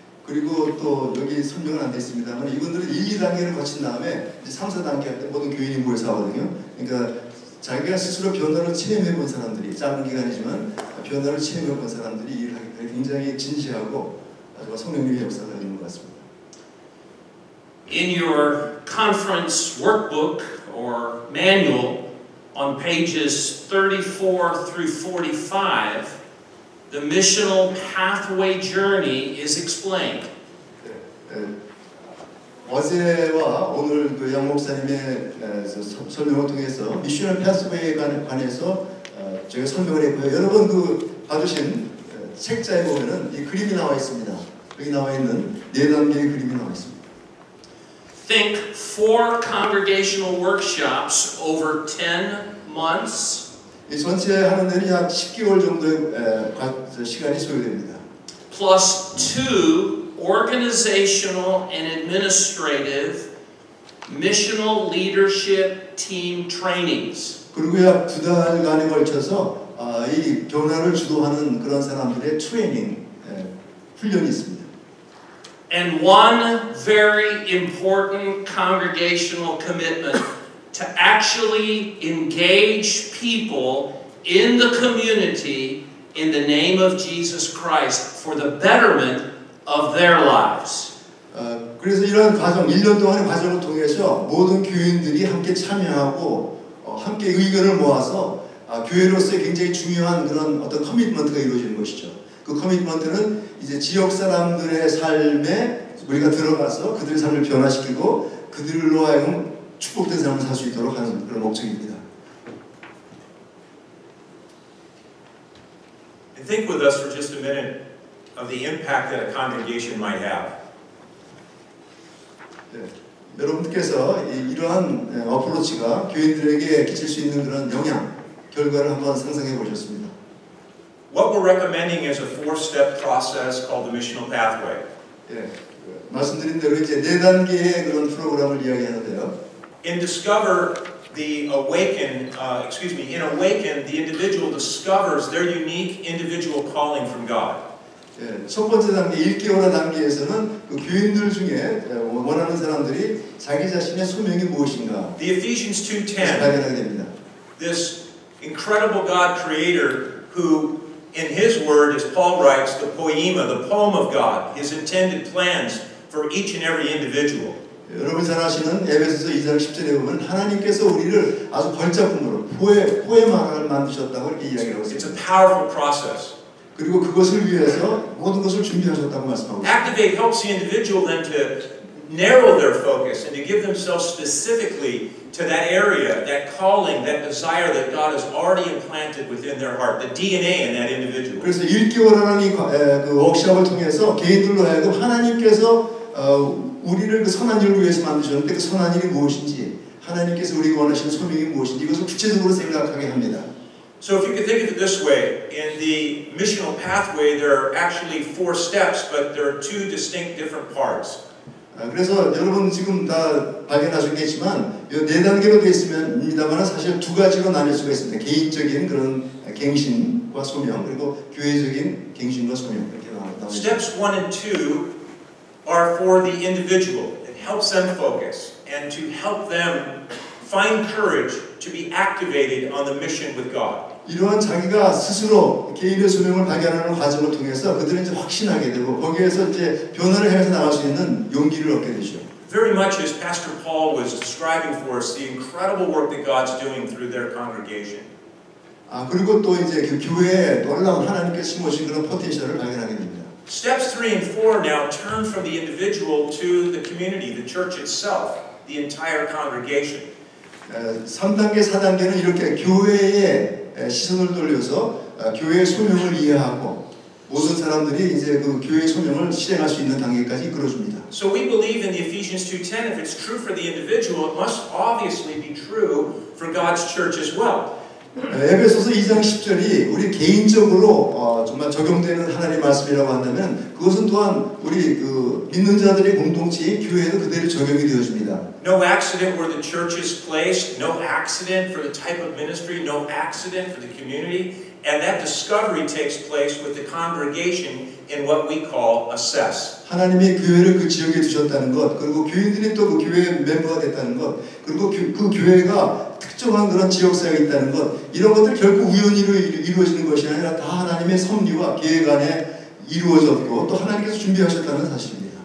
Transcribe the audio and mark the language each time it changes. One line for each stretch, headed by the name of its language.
Korean: 그리고 또 여기 설명은 안 되어 있습니다만 이분들은 1, 2단계를 거친 다음에 이제 3, 4단계 할 때 모든 교인이 모여서 하거든요. 그러니까 자기가 스스로 변화를 체험해 본 사람들이, 짧은 기간이지만 변화를 체험해 본 사람들이 일을 하기 때문에 굉장히 진지하고 아주 성령님의 역사가 있는 것 같습니다.
English: In your conference workbook or manual on pages 34 through 45, the missional pathway journey is explained.
Korean: 어제와 오늘 그 양 목사님의 설명을 통해서 미셔널 패스웨이에 관해서 제가 설명을 했고요. 여러분 그 봐주신 책자에 보면은 이 그림이 나와 있습니다. 여기 나와 있는 네 단계의 그림이 나와 있습니다.
English: Think four congregational workshops over 10 months.
Korean: 이 전체 하는 데는 약 10개월 정도의 시간이 소요됩니다.
English: Plus two. Organizational and administrative missional leadership team trainings.
Korean: 그리고 약 두 달간에 걸쳐서 이 변화를 주도하는 그런 사람들의 트레이닝 훈련이 있습니다.
English: And one very important congregational commitment to actually engage people in the community in the name of Jesus Christ for the betterment. Of their lives.
Korean: 그래서 이런 과정, 1년 동안의 과정을 통해서 모든 교인들이 함께 참여하고 함께 의견을 모아서 교회로서 굉장히 중요한 그런 어떤 커미트먼트가 이루어지는 것이죠. 그 커미트먼트는 이제 지역 사람들의 삶에 우리가 들어가서 그들의 삶을 변화시키고 그들로 하여금 축복된 삶을 살 수 있도록 하는 그런 목적입니다.
English: And think with us for just a minute. Of the impact that a congregation might have.
Korean: 네, 여러분께서 이러한 어프로치가 교인들에게 끼칠 수 있는 그런 영향 결과를 한번 상상해 보셨습니다.
English: What we're recommending is a four-step process called the missional pathway.
Korean: 네, 말씀드린 대로 이제 네 단계의 그런 프로그램을 이야기하는데요.
English: In Discover, in awakened, the individual discovers their unique individual calling from God.
Korean: 예, 첫 번째 단계, 일깨워라 단계에서는 그 교인들 중에 원하는 사람들이 자기 자신의 소명이 무엇인가?
English: The Ephesians 2:10.
Korean: 발견하게 됩니다.
English: This incredible God creator who in his word, as Paul writes, the poema, the poem of God, his intended plans for each and every individual.
Korean: 여러분 잘 아시는 에베소서 2장 10절에 보면 하나님께서 우리를 아주 걸작품으로 포에마를 만드셨다고 이렇게 이야기하고 있습니다.
English: It's a powerful process.
Korean: 그리고 그것을 위해서 모든 것을 준비하셨다고 말씀하고 있습니다.
English: Activate helps the individual then to narrow their focus and to give themselves specifically to that area, that calling, that desire that God has already implanted within their heart, the DNA in that individual.
Korean: 그래서 일깨워라는 이 워크숍을 통해서 개인들로 하여금 하나님께서 우리를 그 선한 일을 위해서 만드셨는데 그 선한 일이 무엇인지 하나님께서 우리가 원하시는 소명이 무엇인지 이것을 구체적으로 생각하게 합니다.
English: So if you can think of it this way, in the missional pathway there are actually four steps, but there are two distinct different parts.
Korean: 그래서 여러분 지금 다 발견하셨겠지만 네 단계로 되어 있습니다만 사실 두 가지로 나눌 수가 있습니다. 개인적인 그런 갱신과 소명 그리고 교회적인 갱신과 소명 이렇게 나눴다.
English: Steps 1 and 2 are for the individual. It helps them focus and to help them find courage to be activated on the mission with God.
Korean: 이러한 자기가 스스로 개인의 소명을 발견하는 과정을 통해서 그들은 이제 확신하게 되고 거기에서 이제 변화를 해서 나갈 수 있는 용기를 얻게 되죠.
English: Very much as Pastor Paul was describing for us the incredible work that God's doing through their congregation.
Korean: 아 그리고 또 이제 그 교회에 놀라운 하나님께서 심으신 그런 포텐셜을 발견하게 됩니다.
English: Steps 3 and 4 now turn from the individual to the community, the church itself, the entire congregation.
Korean: 3단계, 4단계는 이렇게 교회에 시선을 돌려서 교회의 소명을 이해하고 모든 사람들이 이제 그 교회의 소명을 실행할 수 있는 단계까지 이끌어줍니다.
English: So we believe in the Ephesians 2:10, if it's true for the individual, it must obviously be true for God's church as well.
Korean: 에베소서 2장 10절이 우리 개인적으로 정말 적용되는 하나님의 말씀이라고 한다면 그것은 또한 우리 그 믿는 자들의 공동체인 교회에도 그대로 적용이 되어집니다.
English: No accident where the church is placed, no accident for the type of ministry, no accident for the community, and that discovery takes place with the congregation in what we call assess.
Korean: 하나님이 교회를 그 지역에 두셨다는 것, 그리고 교인들이 또 그 교회의 멤버가 됐다는 것, 그리고 그 교회가 특정한 그런 지역사회가 있다는 것, 이런 것들 결코 우연히 이루어지는 것이 아니라 다 하나님의 섭리와 계획 안에 이루어졌고 또 하나님께서 준비하셨다는 사실입니다.